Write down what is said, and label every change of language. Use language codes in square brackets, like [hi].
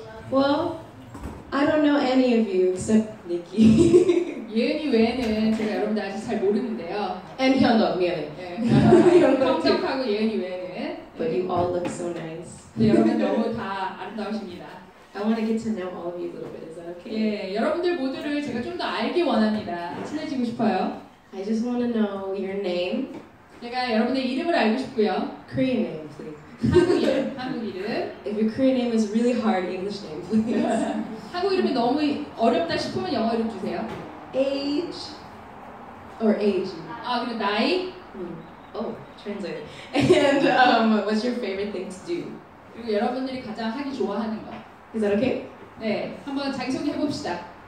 [en] Well, I don't know any of you except Nikki. [ko] 예은이 외에는 제가 여러분들 아직 잘 모르는데요. [en] And [ko] 현도, 미안해. 평정하고 예은이 외에는. [en] But you all look so nice. [ko] 여러분 너무 다 아름다우십니다. [en] I want to get to know all of you a little bit. Is that okay? [ko] 예, 여러분들 모두를 제가 좀 더 알기 원합니다. 친해지고 싶어요. [en] I just want to know your name. [ko] 제가 여러분의 이름을 알고 싶고요. [en] Korean name, please. [ko] 한국 이름. [en] If your Korean name is really hard, English name, please. [ko] 한국 이름이 너무 어렵다 싶으면 영어 이름 주세요. [en] Age or age? [ko] 아, 그리고 나이? [en] Oh, translator. And what's your favorite thing to do? [ko] 그리고 여러분들이 가장 하기 좋아하는 거. [en] Is that okay? [ko] 네, 한번 자기소개 해봅시다.